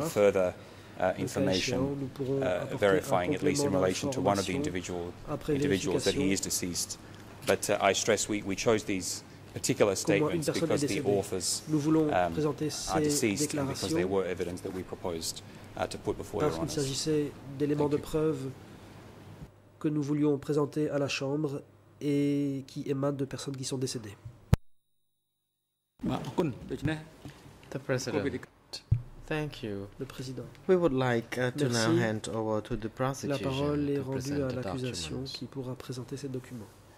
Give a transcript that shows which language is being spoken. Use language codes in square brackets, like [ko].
[en] further information, verifying at least in relation to one of the individuals that he is deceased. But I stress we chose these particular statements because the authors are deceased and because there were evidence that we proposed to put before Your Honour. [fr] Il s'agissait d'éléments de preuve que nous voulions présenter à la Chambre et qui émanent de personnes qui sont décédées. [en] The President. Thank you. [fr] Le président. [en] We would like to now hand over to the prosecution. [fr] La parole est rendue à l'accusation qui pourra présenter ses documents.